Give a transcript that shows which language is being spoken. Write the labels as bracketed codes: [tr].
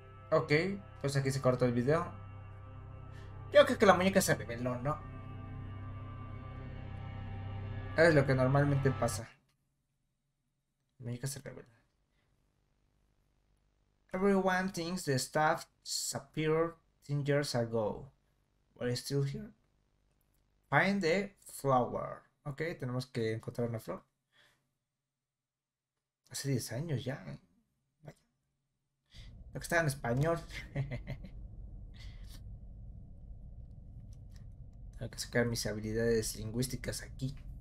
[es] Ok, pues aquí se cortó el video. Yo creo que la muñeca se reveló, ¿no? Es lo que normalmente pasa. La muñeca se reveló. [en] Everyone thinks the staff disappeared 10 years ago. But it's still here. Find the flower. [es] Ok, tenemos que encontrar una flor. Hace 10 años ya, ¿eh? Que está en español. Tengo que sacar mis habilidades lingüísticas aquí.